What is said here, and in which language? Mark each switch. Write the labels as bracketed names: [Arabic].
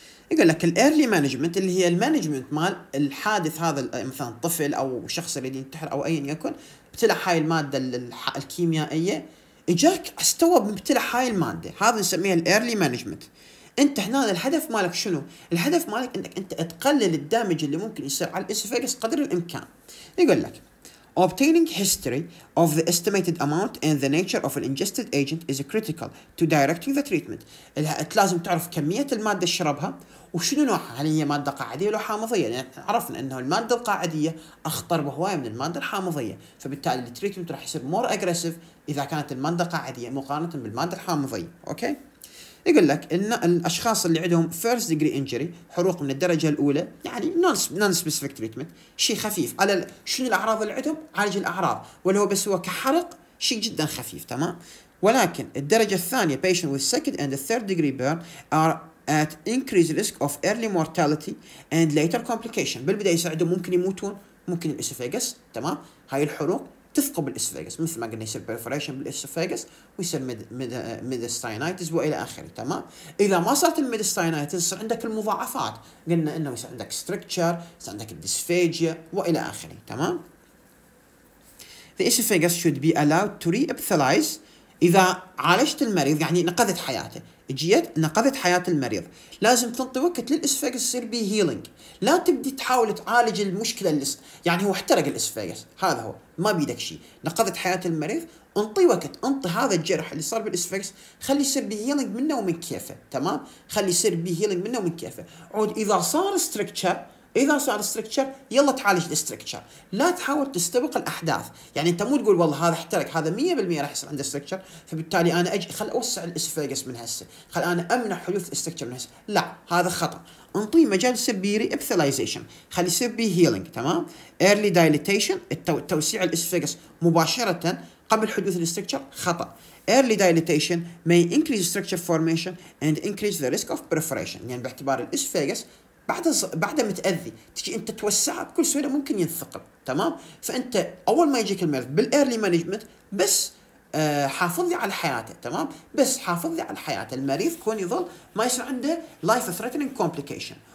[Arabic] يقول لك الايرلي مانجمنت اللي هي المانجمنت مال الحادث هذا، مثلا طفل او شخص يريد ينتحر او ايا يكن ابتلع هاي الماده الكيميائيه، إجاك استوى بمبتلع هاي المادة، هذا نسميها الإيرلي مانجمنت. أنت هنا الهدف مالك شنو؟ الهدف مالك أنك أنت تقلل الدامج اللي ممكن يصير على الإسفاجس قدر الإمكان. يقول لك [English] obtaining history of the estimated amount and the nature of an ingested agent is critical to directing the treatment. [Arabic] لازم تعرف كمية المادة شربها وشنو نوعها، هل هي مادة قاعدية أو حامضية، يعني عرفنا أنه المادة القاعدية أخطر بهواية من المادة الحامضية، فبالتالي التريتمنت راح يصير [English] more aggressive [Arabic] إذا كانت المادة قاعدية مقارنة بالمادة الحامضية أوكي. يقول لك ان الاشخاص اللي عندهم [English] first degree injury [Arabic] حروق من الدرجه الاولى، يعني [English] non specific treatment، [Arabic] شيء خفيف على شنو الاعراض اللي عندهم، عالج الاعراض ولو بس هو كحرق شيء جدا خفيف تمام، ولكن الدرجه الثانيه [English] patient with second and third degree burn are at increased risk of early mortality and later complication. [Arabic] بالبدايه يساعدوا ممكن يموتون، ممكن الاسفاجس تمام، هاي الحروق تثقب الاسفاجس مثل ما قلنا يصير بريفوريشن بالاسفاجس ويصير ميدستاينايتس والى اخره تمام. اذا ما صارت الميدستاينايتس يصير عندك المضاعفات، قلنا انه يصير عندك ستركتشر، يصير عندك الديسفاجيا والى اخره تمام. [English] The esophagus should be allowed to re-epithelize. [Arabic] اذا عالجت المريض يعني نقذت حياته، جيت نقذت حياة المريض، لازم تنطي وقت للإسفاجس يصير بي هيلينج، لا تبدي تحاول تعالج المشكلة يعني هو احترق الإسفاجس، هذا هو ما بيدك شيء، نقذت حياة المريض انطي وقت، انطي هذا الجرح اللي صار بالإسفاجس خلي يصير بي هيلينج منه ومن كيفه تمام، خلي يصير بي هيلينج منه ومن كيفه. عود إذا صار ستركتشر اذا صار استركتشر يلا تعالج الاستركتشر، لا تحاول تستبق الاحداث. يعني انت مو تقول والله هذا احترق هذا 100% راح يصير عنده استركتشر، فبالتالي انا اجي خل اوسع الاسفاجس من هسه، خل انا امنع حدوث استركتشر من هسه، لا هذا خطا. انطي مجال سبيري ابثلايزيشن، خلي سبي هيلينج، تمام، ايرلي دايليتيشن توسيع الاسفاجس مباشره قبل حدوث الاستركتشر خطا. [English] Early dilatation may increase structure formation and increase the risk of perforation. [Arabic] يعني باعتبار الإسفاجس بعد متأذي تجي أنت توسعه بكل سهولة ممكن ينثقب، تمام؟ فأنت أول ما يجيك المرض بال [English] early management [Arabic] بس حافظ لي على حياته، تمام؟ بس حافظ لي على حياته المريض كون يظل ما يصير عنده [English] life threatening complication.